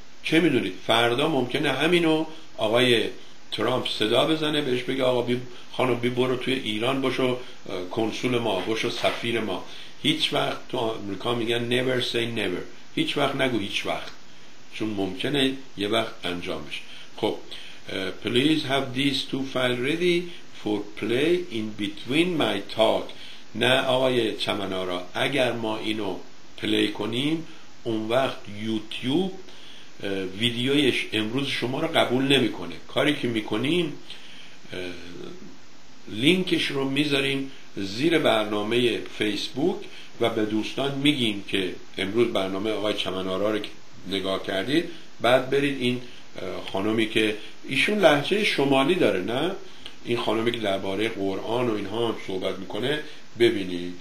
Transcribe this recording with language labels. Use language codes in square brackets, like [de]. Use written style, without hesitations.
[fa] چه میدونید فردا ممکنه همینو آقای ترامپ صدا بزنه بهش بگه آقا بی خانم بی برو توی ایران باشو کنسول ما، باشو سفیر ما. هیچ وقت تو آمریکا میگن [en] never say never، [fa] هیچ وقت نگو هیچ وقت، چون ممکنه یه وقت انجام بشه. [en] خب please have these two files ready for play in between my talk. [fa] نه آقای چمنارا، اگر ما اینو پلی کنیم اون وقت یوتیوب ویدیویش امروز شما رو قبول نمیکنه. کاری که میکنیم لینکش رو میذاریم زیر برنامه فیسبوک و به دوستان میگیم که امروز برنامه آقای چمنارا رو نگاه کردید، بعد برید این خانومی که ایشون لهجه شمالی داره، نه این خانومی که درباره قرآن و اینها هم صحبت میکنه، ببینید.